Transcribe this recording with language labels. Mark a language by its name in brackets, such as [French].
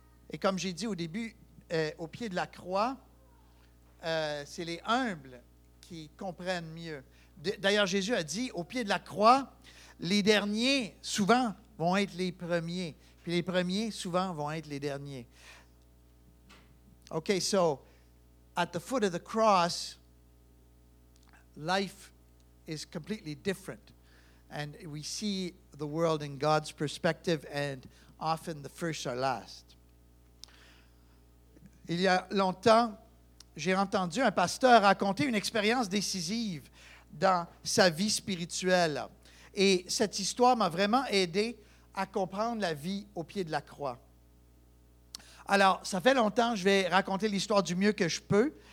[French] Et comme j'ai dit au début, au pied de la croix, c'est les humbles qui comprennent mieux. D'ailleurs, Jésus a dit, au pied de la croix, les derniers, souvent, vont être les premiers. Puis les premiers, souvent, vont être les derniers. [English] OK, so, at the foot of the cross, life is completely different. And we see the world in God's perspective, and often the first are last. [French] Il y a longtemps, j'ai entendu un pasteur raconter une expérience décisive dans sa vie spirituelle. Et cette histoire m'a vraiment aidé à comprendre la vie au pied de la croix. Alors, ça fait longtemps, je vais raconter l'histoire du mieux que je peux.